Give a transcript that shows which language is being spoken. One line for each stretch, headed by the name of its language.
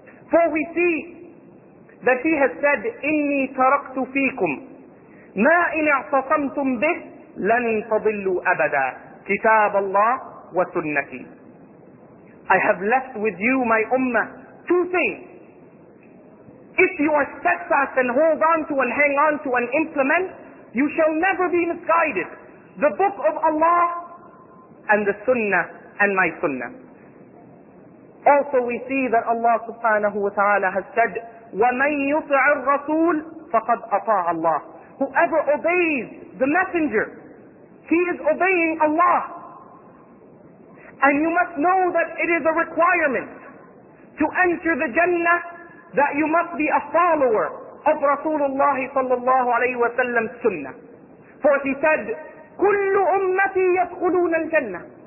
English: For we see that he has said,
Arabic: إِنِّي تَرَقْتُ فِيكُمْ مَا إِنْ اَعْتَصَمْتُمْ بِهِ لَنْ تَضِلُّوا أَبَدًا كِتَابَ اللَّهِ وَسُنَّةِ.
English: I have left with you, my ummah, two things. If you are steadfast and hold on to and hang on to and implement, you shall never be misguided. The book of Allah and the sunnah and my sunnah. Also we see that Allah subhanahu wa ta'ala has said,
Arabic: وَمَنْ يُطِعِ الرَّسُولِ فَقَدْ أَطَاعَ اللَّهِ.
English: Whoever obeys the messenger, he is obeying Allah. And you must know that it is a requirement to enter the Jannah that you must be a follower of Rasulullah sallallahu alayhi wa sallam's sunnah. For he said,
Arabic: كُلُّ أُمَّتِي يَدْخُلُونَ الْجَنَّةِ.